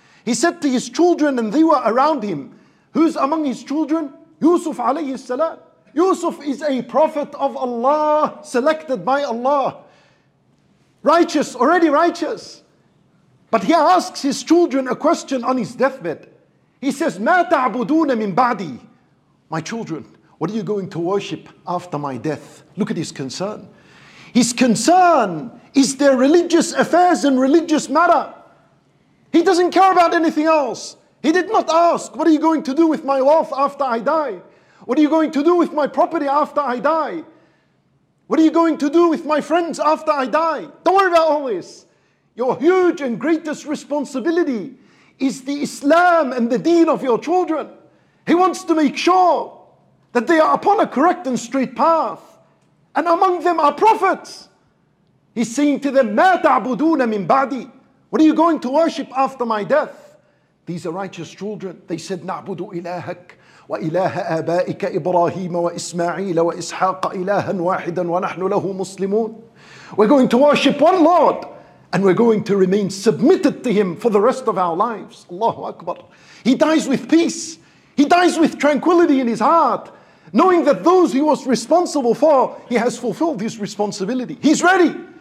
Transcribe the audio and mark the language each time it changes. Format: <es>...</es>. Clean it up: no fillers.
<en>He said to his children, and they were around him. Who's among his children? Yusuf alayhi salam. Yusuf is a prophet of Allah, selected by Allah. Righteous, already righteous. But he asks his children a question on his deathbed. He says,</en> <ar>مَا تَعْبُدُونَ مِنْ بَعْدِي?</ar> <en>My children, what are you going to worship after my death? Look at his concern. His concern is their religious affairs and religious matter. He doesn't care about anything else. He did not ask, what are you going to do with my wealth after I die? What are you going to do with my property after I die? What are you going to do with my friends after I die? Don't worry about all this. Your huge and greatest responsibility is the Islam and the deen of your children. He wants to make sure that they are upon a correct and straight path. And among them are prophets. He's saying to them,</en> <ar>مَا تَعْبُدُونَ مِنْ بَعْدِي?</ar> <en>What are you going to worship after my death? These are righteous children. They said,</en> <ar>نَعْبُدُ إِلَهَكَ وإله آبائك إبراهيم وإسماعيل وإسحاق إلها واحدا ونحن له مسلمون.</ar> <en>We're going to worship one Lord and we're going to remain submitted to him for the rest of our lives. Allahu Akbar. He dies with peace. He dies with tranquility in his heart, knowing that those he was responsible for, he has fulfilled his responsibility. He's ready.</en>